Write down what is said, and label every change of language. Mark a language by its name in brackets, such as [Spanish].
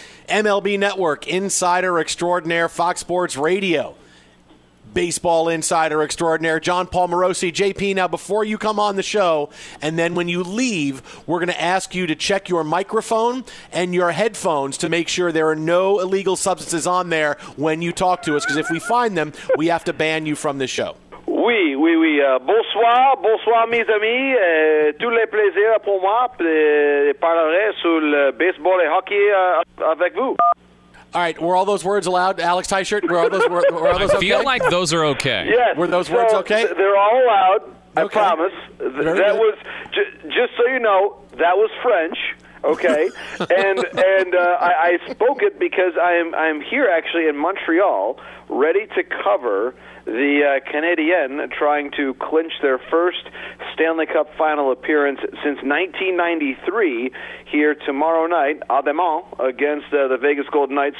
[English] MLB Network, insider extraordinaire, Fox Sports Radio, baseball insider extraordinaire, John Paul Morosi. JP, now before you come on the show, and then when you leave, we're going to ask you to check your microphone and your headphones to make sure there are no illegal substances on there when you talk to us, because if we find them, we have to ban you from the show. [French] Oui, oui, oui. Bonsoir, bonsoir, mes amis. Tous les plaisirs pour moi. Je parlerai sur le baseball et hockey avec vous. [English] All right, were all those words allowed, Alex Tyshirt? Were all those okay? I feel like those are okay. Yes. Were those words okay? They're all allowed, okay. I promise. That was, just so you know, that was French, okay? I spoke it because I'm here, actually, in Montreal, ready to cover the Canadiens trying to clinch their first Stanley Cup final appearance since 1993 here tomorrow night, Ademont, against the Vegas Golden Knights.